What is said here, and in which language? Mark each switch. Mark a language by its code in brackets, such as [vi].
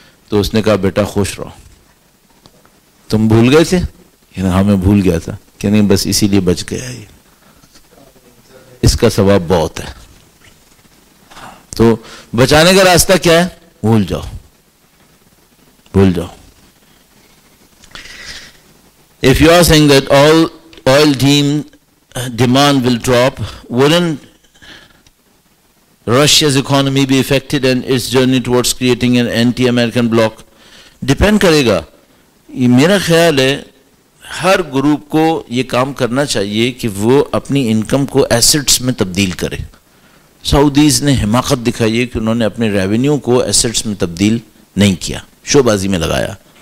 [ur] تو اس نے کہا بیٹا خوش رہو, تم بھول گئے تھے؟ ہاں میں بھول گیا تھا. کہ نہیں بس اسی لیے بچ گیا, یہ اس کا ثواب بہت ہے. تو بچانے کا راستہ کیا ہے؟ بھول جاؤ, بھول جاؤ. [en] If you are saying that all oil demand will drop, wouldn't Russia's economy be affected and its journey towards creating an anti-American bloc? [ur] Depend کرے گا. میرا خیال ہے ہر گروپ کو یہ کام کرنا چاہیے کہ وہ اپنی انکم کو ایسٹس میں تبدیل کرے. سعودیز نے حماقت دکھائی ہے کہ انہوں نے اپنے ریونیو کو ایسٹس میں تبدیل نہیں کیا, شو بازی میں لگایا.